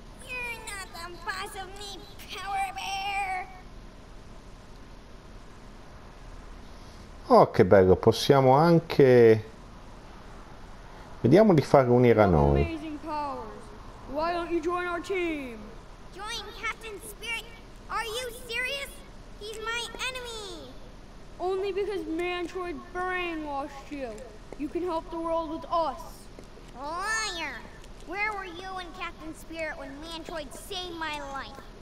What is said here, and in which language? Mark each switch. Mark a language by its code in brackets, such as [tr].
[en] You're not the boss of me, Power Bear! [it] Oh, che bello, possiamo anche... Vediamo di far unire a noi. [en] Why don't you join our team? Join Captain Spirit? Are you serious? He's my enemy! Only because Mantroid brainwashed you. You can help the world with us. Liar! Where were you and Captain Spirit when Mantroid saved my life?